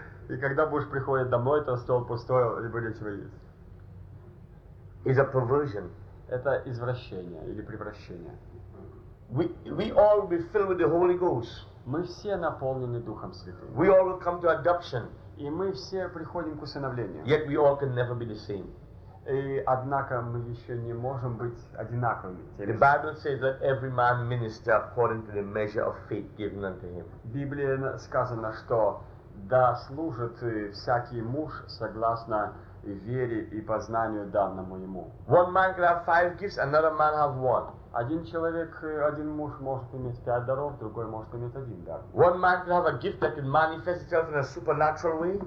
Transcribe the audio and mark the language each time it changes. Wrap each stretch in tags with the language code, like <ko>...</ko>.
<ru>И когда муж приходит домой, то стол пустой, либо нечего есть.</ru> <en>Is a perversion.</en> <ru>Это извращение или превращение.</ru> <en>We all be filled with the Holy Ghost.</en> <ru>Мы все наполнены Духом Святым.</ru> <en>We all will come to adoption.</en> <ru>И мы все приходим к усыновлению.</ru> <en>Yet we all can never be the same.</en> <ru>И однако мы еще не можем быть одинаковыми.</ru> <en>The Bible says that every man minister according to the measure of faith given unto him.</en> <ru>Библия сказано, что да служит всякий муж согласно вере и познанию данному ему.</ru> <en>One man can have five gifts, another man have one.</en> <ru>Один человек, один муж может иметь пять даров, другой может иметь один дар.</ru> <en>One man can have a gift that can manifest itself in a supernatural way.</en>